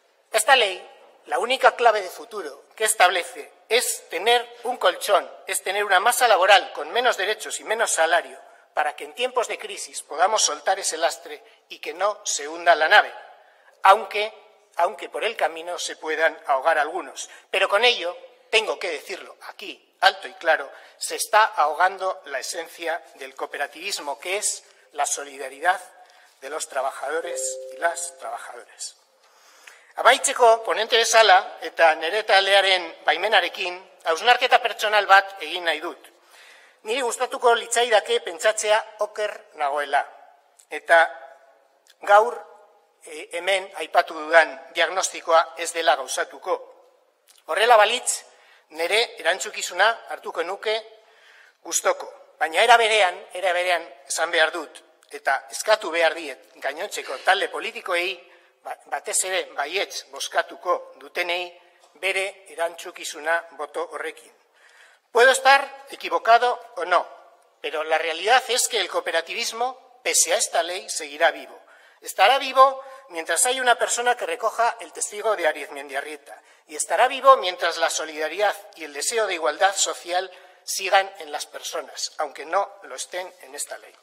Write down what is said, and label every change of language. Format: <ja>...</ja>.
<es>Esta ley, la única clave de futuro que establece, es tener un colchón, es tener una masa laboral con menos derechos y menos salario para que en tiempos de crisis podamos soltar ese lastre y que no se hunda la nave, aunque por el camino se puedan ahogar algunos. Pero con ello, tengo que decirlo aquí, alto y claro, se está ahogando la esencia del cooperativismo, que es la solidaridad de los trabajadores y las trabajadoras.</es> <eu>Amaitzeko, ponente bezala eta nire taldearen baimenarekin, hausnarketa pertsonal bat egin nahi dut. Niri gustatuko litzaidake pentsatzea oker nagoela. Eta gaur hemen aipatu dudan diagnostikoa ez dela gauzatuko. Horrela balitz, nire erantzukizuna hartuko nuke gustoko. Baina era berean esan behar dut eta eskatu behar diet gainontzeko talde politikoei, batez ere baietz bozkatuko dutenei bere erantzukizuna boto horrekin.</eu> <es>Puedo estar equivocado o no, pero la realidad es que el cooperativismo, pese a esta ley, seguirá vivo. Estará vivo mientras hay una persona que recoja el testigo de Arizmendiarrieta y estará vivo mientras la solidaridad y el deseo de igualdad social sigan en las personas, aunque no lo estén en esta ley.</es>